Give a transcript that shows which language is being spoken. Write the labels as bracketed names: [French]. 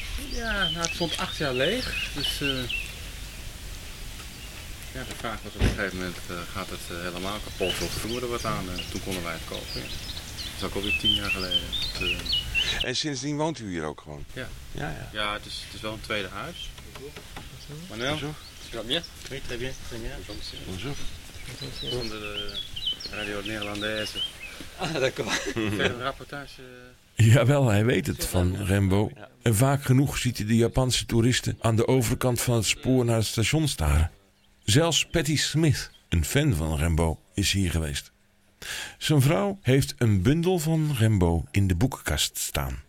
[Dutch] Ja, nou, het stond 8 jaar leeg. Dus ja, de vraag was op een gegeven moment, gaat het helemaal kapot? Of voerde wat aan? Toen konden wij het kopen. Ja. Dat is ook alweer 10 jaar geleden. En sindsdien woont u hier ook gewoon? Ja. Ja, ja. Ja, het is wel een tweede huis. Manuel? [French] Bonjour. Oui, très bien. Bonjour. Bonjour. [Dutch] Van de Radio Néerlandaise. Ah, dat kan. Een rapportage. Jawel, hij weet het van Rembo. En vaak genoeg ziet hij de Japanse toeristen aan de overkant van het spoor naar het station staren. Zelfs Patti Smith, een fan van Rembo, is hier geweest. Zijn vrouw heeft een bundel van Rembo in de boekenkast staan.